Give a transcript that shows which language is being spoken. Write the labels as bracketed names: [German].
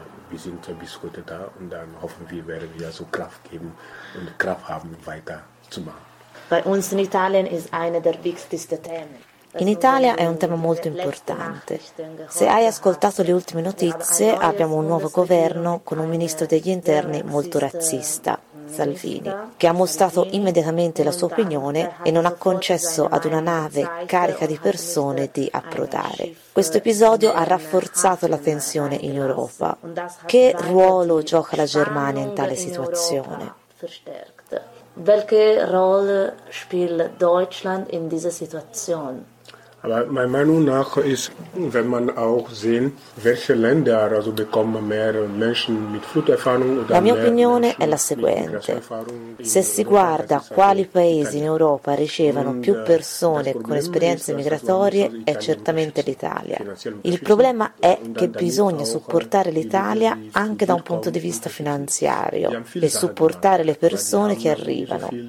[German] Wir sind bis heute da und dann hoffen wir, werden wir so Kraft geben und Kraft haben, weiterzumachen. Bei uns in Italien ist einer der wichtigsten Themen. [Italian] In Italia è un tema molto importante. Se hai ascoltato le ultime notizie, abbiamo un nuovo governo con un ministro degli interni molto razzista, Salvini, che ha mostrato immediatamente la sua opinione e non ha concesso ad una nave carica di persone di approdare. Questo episodio ha rafforzato la tensione in Europa. Che ruolo gioca la Germania in tale situazione? [German] Welche Rolle spielt Deutschland in dieser Situation? Aber meiner Meinung nach ist, wenn man auch sehen, welche Länder also bekommen mehr Menschen mit Fluterfahrung oder [Italian] La mia opinione è la seguente. Se si guarda quali paesi in Europa ricevono più persone con esperienze migratorie, è certamente l'Italia. Il problema è che bisogna supportare l'Italia anche da un punto di vista finanziario e supportare le persone che arrivano.